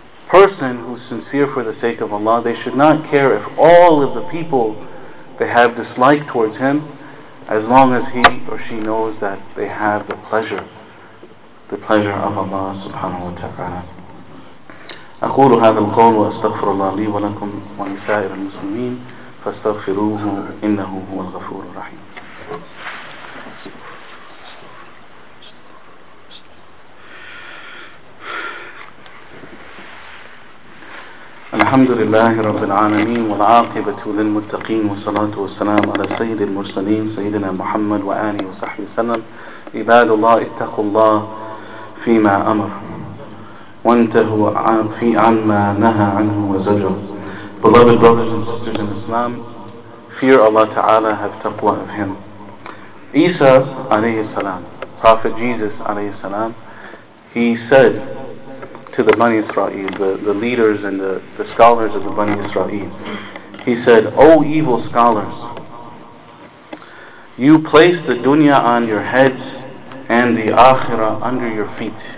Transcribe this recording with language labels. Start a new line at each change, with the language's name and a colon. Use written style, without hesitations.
English: Person who's sincere for the sake of Allah, they should not care if all of the people they have dislike towards him, as long as he or she knows that they have the pleasure of Allah subhanahu wa ta'ala.
Arabic: أقول هذا القول وأستغفر الله لي ولكم ولسائر المسلمين فاستغفروه إنه هو الغفور الرحيم. الحمد لله رب العالمين والعاقبة للمتقين والصلاة والسلام على سيد المرسلين سيدنا محمد وآله وصحبه وسلم. عباد الله اتقوا الله فيما أمر وانتهوا في عما نهى عنه وزجر.
English: Beloved brothers and sisters in Islam, fear Allah Ta'ala, have taqwa of Him. Isa alayhi salam, Prophet Jesus alayhi salam, he said to the Bani Israel, the leaders and the scholars of the Bani Israel, he said, "O evil scholars, you place the dunya on your heads and the akhirah under your feet.